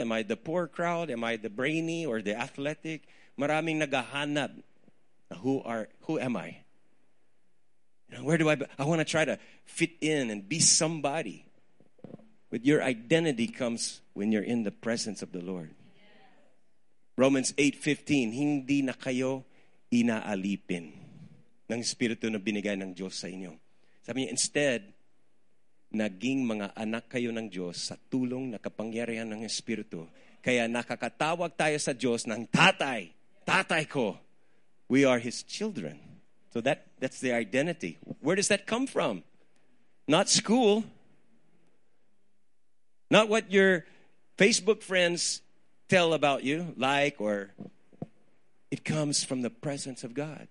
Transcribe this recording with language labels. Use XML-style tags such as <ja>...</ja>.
<en>Am I the poor crowd? Am I the brainy or the athletic?</en> <tl>Maraming nagahanap.</tl> <en>Who am I? You know, where do I be? I want to try to fit in and be somebody. But your identity comes when you're in the presence of the Lord.</en> <tl>Romans 8:15, hindi na kayo inaalipin ng Espiritu na binigay ng Diyos sa inyo. Sabi niya, instead, naging mga anak kayo ng Diyos sa tulong na kapangyarihan ng Espiritu. Kaya nakakatawag tayo sa Diyos ng tatay, tatay ko.</tl> <en>We are His children. So that's the identity. Where does that come from? Not school. Not what your Facebook friends tell about you, like, or it comes from the presence of God.</en>